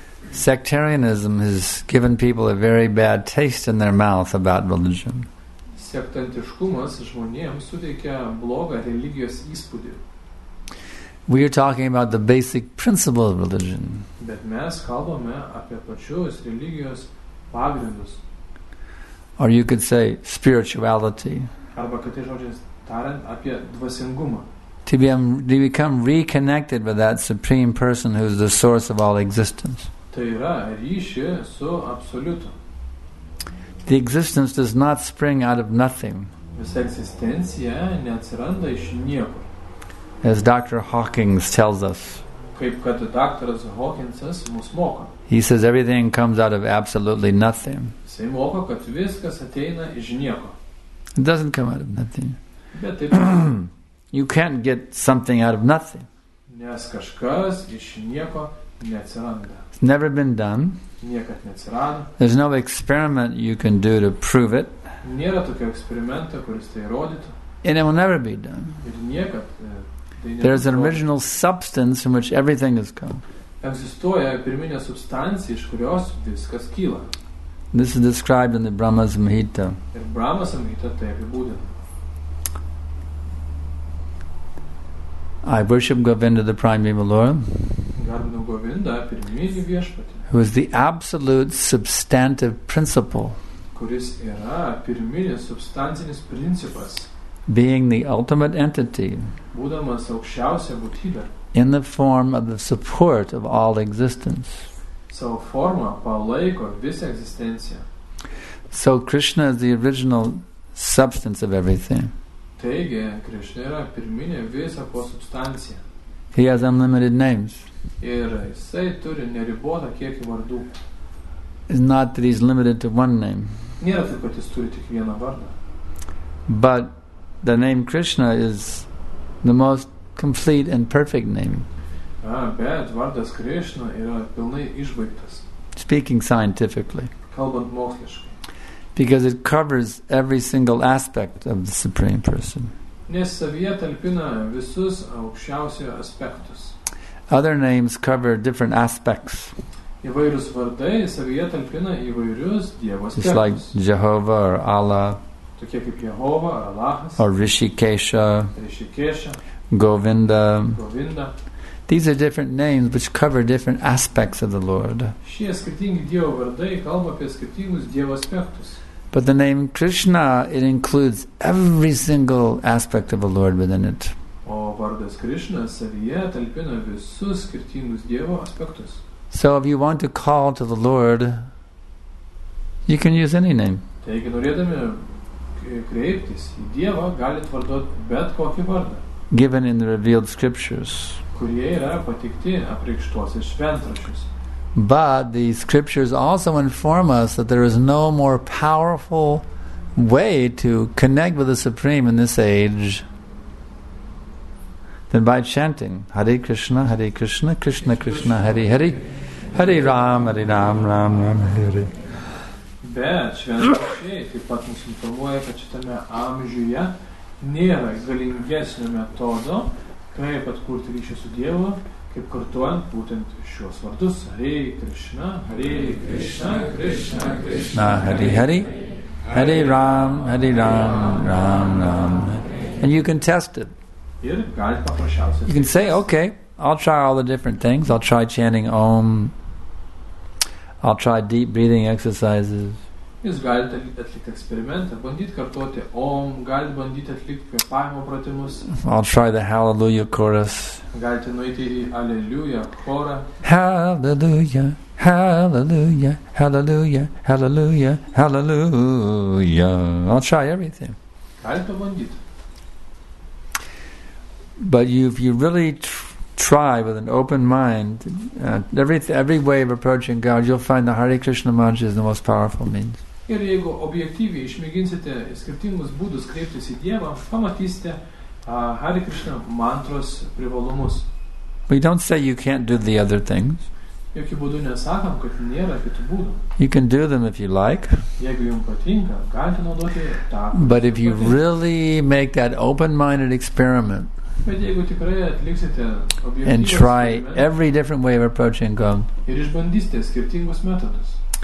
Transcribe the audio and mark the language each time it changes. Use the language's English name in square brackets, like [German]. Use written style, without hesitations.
[English] Sectarianism has given people a very bad taste in their mouth about religion. [Lithuanian] Sektantiškumas žmonėms suteikia blogą religijos įspūdį. [English] We are talking about the basic principle of religion. [Lithuanian] Bet mes kalbame apie pačius religijos pagrindus. [English] Or you could say spirituality. [Lithuanian] Arba kitais žodžiais tariant apie dvasingumą. [English] To become reconnected with that supreme person who is the source of all existence. [Lithuanian] Tai yra ryšį su absoliutu. [English] The existence does not spring out of nothing. [Lithuanian] Visa egzistencija neatsiranda iš niekur. [English] As Dr. Hawking tells us. [Lithuanian] Kaip kad daktaras Hawkinsas mus moka. [English] He says everything comes out of absolutely nothing. [Lithuanian] Jisai moka, kad viskas ateina iš nieko. [English] It doesn't come out of nothing. [Lithuanian] Bet taip pat. [English] You can't get something out of nothing. [Lithuanian] Nes kažkas iš nieko neatsiranda. [English] It's never been done. There's no experiment you can do to prove it. [Lithuanian] Nėra tokio eksperimento, kuris tai įrodytų. [English] And it will never be done. [Lithuanian] Ir niekad, [English] there is an original substance from which everything has come. [Lithuanian] Egzistuoja pirminė substancija, iš kurios viskas kyla. [English] This is described in the Brahma Samhita. [Lithuanian] Ir Brahma Samhita tai apibūdina. [English] I worship Govinda, the primeval Lord. [Lithuanian] Garbinu Govinda, pirminį viešpatį. [English] Who is the absolute substantive principle, [Lithuanian] kuris yra pirminis substancinis principas, [English] being the ultimate entity, [Lithuanian] būdamas aukščiausia būtybė, [English] in the form of the support of all existence. [Lithuanian] Savo formą palaiko visą egzistenciją. [English] So Krishna is the original substance of everything. [Lithuanian] Taigi, Krishna yra pirminė visa ko substancija. [English] He has unlimited names. [Lithuanian] Ir jisai turi neribotą kiekį vardų. [English] It's not that he's limited to one name. [Lithuanian] Nėra taip, kad jis turi tik vieną vardą. [English] But the name Krishna is the most complete and perfect name. [Lithuanian] Bet vardas Krishna yra pilnai išbaigtas. [English] Speaking scientifically. Because it covers every single aspect of the Supreme Person. [Lithuanian] Nes savyje talpina visus aukščiausio aspektus. [English] Other names cover different aspects. [Lithuanian] Įvairius vardai savyje talpina įvairius Dievo aspektus. [English] It's like Jehovah or Allah. [Lithuanian] Tokie kaip Jehova ar Allahas. [English] Or Rishikesha. [Lithuanian] Rishikesha. [English] Govinda. [Lithuanian] Govinda. [English] These are different names which cover different aspects of the Lord. [Lithuanian] Šie skirtingi Dievo vardai kalba apie skirtingus Dievo aspektus. [English] But the name Krishna, it includes every single aspect of the Lord within it. [Lithuanian] O vardas Krishna savyje talpina visus skirtingus Dievo aspektus. [English] So if you want to call to the Lord, you can use any name. [Lithuanian] Taigi norėdami kreiptis į Dievą, galit vardot bet kokį vardą. [English] Given in the revealed scriptures. [Lithuanian] Kurie yra pateikti apreikštuose šventraščiuose. [English] But the scriptures also inform us that there is no more powerful way to connect with the Supreme in this age than by chanting Hare Krishna, Krishna Krishna, Hare Hare, Hare Ram, Hare Ram, Ram Ram, Hare. [Lithuanian] Bet šventraščiai taip pat mus informuoja, kad šitame amžiuje nėra galingesnio metodo, kaip atkurti ryšį su Dievu, kaip kartuojant būtent šiuos vardus. [Sanskrit] Hare Krishna, Krishna, Krishna, Krishna. Hare Hare, Hare Ram, Hare Ram, Ram Ram. [English] And you can test it. You can say, okay, I'll try all the different things. I'll try chanting Om. I'll try deep breathing exercises. [Lithuanian] Jūs galite atlikti eksperimentą, bandyti kartuoti Om, galite bandyti atlikti kvėpavimo pratimus. [English] I'll try the Hallelujah chorus. [Lithuanian] Galite nueiti į Alleluja chorą. [English] Hallelujah, Hallelujah, Hallelujah, Hallelujah, Hallelujah. I'll try everything. [Lithuanian] Galite bandyti. [English] But if you really try with an open mind, every way of approaching God, you'll find the Hare Krishna mantra is the most powerful means. [Lithuanian] Ir jeigu objektyviai išmėginsite skirtingus būdus kreiptis į Dievą, pamatysite Hare Krishna mantros privalumus. [English] We don't say you can't do the other things. [Lithuanian] Jokiu būdu nesakom, kad nėra kitų būdų. [English] You can do them if you like. [Lithuanian] Jeigu jums patinka, galite naudoti tą. [English] But if you really make that open-minded experiment, [Lithuanian] bet jeigu tikrai atliksite objektyvus [English] and try every different way of approaching God, [Lithuanian] ir išbandysite skirtingus metodus,